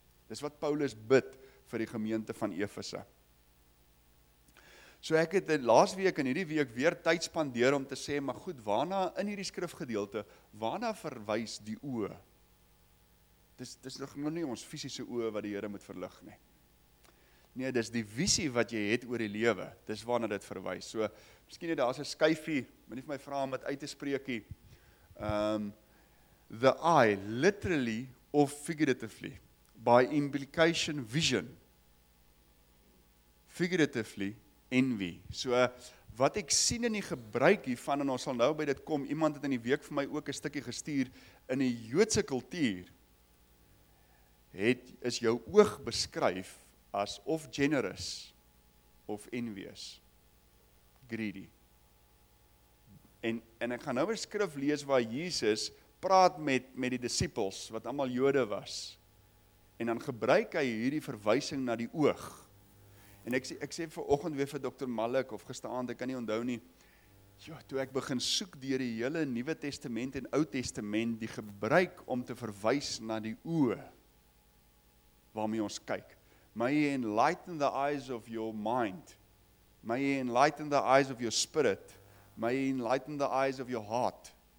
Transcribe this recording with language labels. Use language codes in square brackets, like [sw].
[af] Dis wat Paulus bid vir die gemeente van Efese. So ek het laas week en hierdie week weer tyd spandeer om te sê, maar goed, waarna in hierdie skrifgedeelte, waarna verwys die oë? Dis nog nie ons fisiese oë wat die Here moet verlig nie. Nee, dis die visie wat jy het oor die lewe, dis waarna dit verwys. So, miskien daar is 'n skyfie, moet nie vir my vra om dit uit te spreek nie. [en] The eye, literally or figuratively, by implication vision, figuratively, envy. [af] So, wat ek sien in die gebruik hiervan, en ons sal nou by dit kom, iemand het in die week vir my ook een stukkie gestuur, in die Joodse kultuur, is jou oog beskryf as of [en] generous, [af] of [en] envious, greedy. [af] En ek gaan nou een skrif lees waar Jesus praat met die disciples, wat allemaal Jode was, en dan gebruik hy hierdie verwysing na die oog. En ek sê vir oggend weer vir Dr. Malik, of gisteraand, ek kan nie onthou nie, toe ek begin soek deur die hele Nuwe Testament en Ou Testament, die gebruik om te verwys na die oë, waarmee ons kyk. [en] May you enlighten the eyes of your mind. May you enlighten the eyes of your spirit. May you enlighten the eyes of your heart.